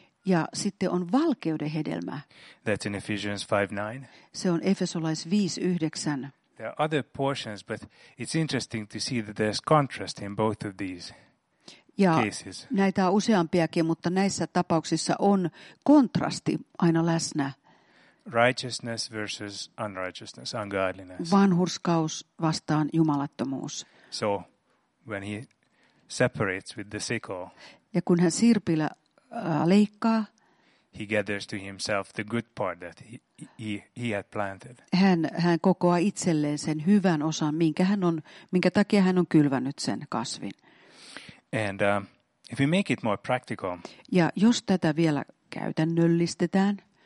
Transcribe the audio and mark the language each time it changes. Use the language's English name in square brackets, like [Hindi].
[Finnish] Ja sitten on valkeuden hedelmä. [English] That's in Ephesians 5:9. [Finnish] Se on Efesolais 5:9. [English] There are other portions, but it's interesting to see that there's contrast in both of these. [Finnish] Ja [English] cases. [Finnish] Näitä on useampiakin, mutta näissä tapauksissa on kontrasti aina läsnä. [English] Righteousness versus unrighteousness, ungodliness. [Finnish] Vanhurskaus vastaan jumalattomuus. [English] So when he separates with the sickle. [Finnish] Ja kun hän sirpillä leikkaa, [English] he gathers to himself the good part that he had planted. [Finnish] Hän kokoaa itselleen sen hyvän osan, minkä takia hän on kylvänyt sen kasvin. [English] And if we make it more practical. [Finnish] Ja jos tätä vielä käytännöllistetään.